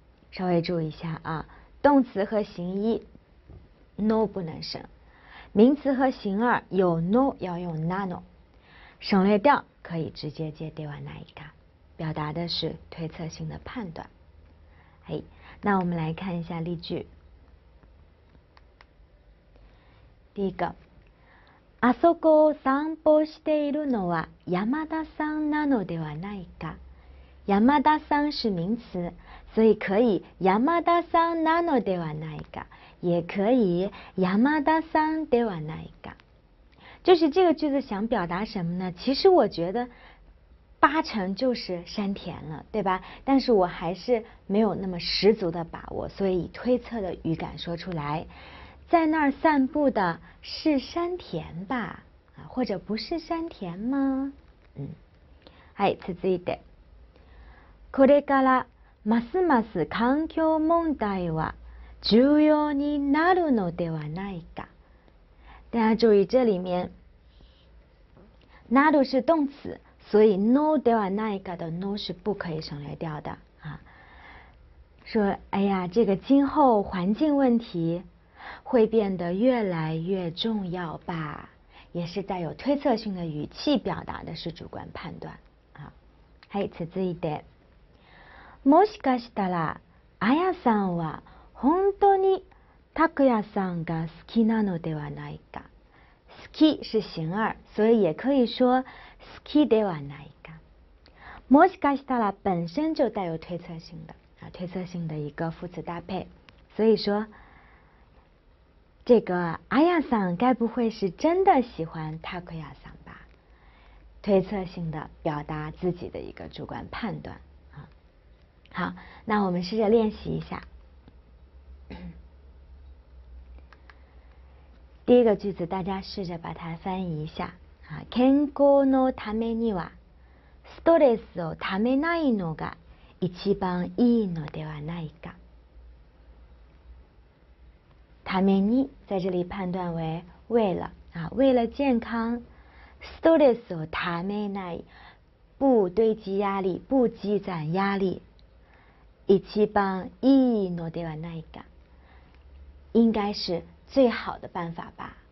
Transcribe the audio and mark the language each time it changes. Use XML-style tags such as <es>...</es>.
<zh>稍微注意一下啊，动词和形一 no 不能省，名词和形二有 no 要用なの，省略掉可以直接接ではないか，表达的是推测性的判断。哎，那我们来看一下例句。第一个，</zh> <ja>あそこを散歩しているのは山田さんなのではないか。</ja> <zh>山田さん是名词，所以可以</zh> <ja>山田さんなのではないか，</ja> <zh>也可以</zh> <ja>山田さんではないか。</ja> <zh>就是这个句子想表达什么呢？其实我觉得八成就是山田了，对吧？但是我还是没有那么十足的把握，所以推测的语感说出来。在那儿散步的是山田吧？或者不是山田吗？</zh> <ja>はい、続いて。これからますます環境問題は重要になるのではないか。</ja> <zh>大家注意，这里面"なる"是动词，所以 no 对吧？那一个的 no 是不可以省略掉的啊。说，哎呀，这个今后环境问题会变得越来越重要吧？也是带有推测性的语气表达的，是主观判断啊。</zh> <ja>はい、続いて。もしかしたら、あやさんは本当にたくやさんが好きなのではないか。</ja> <zh>好き是形而，所以也可以说</zh> <ja>好きではないか。もしかしたら</ja> <zh>本身就带有推测性的啊，推测性的一个副词搭配，所以说。这个阿亚桑该不会是真的喜欢塔克亚桑吧？推测性的表达自己的一个主观判断啊。好，那我们试着练习一下。第一个句子，大家试着把它翻译一下啊。</zh> <ja>健康のためにはストレスをためないのが一番いいのではないか。</ja> <zh>ために在这里判断为为了啊，为了健康。</zh> <ja>ストレスをためない，</ja> <zh>不堆积压力，不积攒压力。</zh> <ja>一番いいのではないか，</ja> <zh>应该是最好的办法吧？</zh>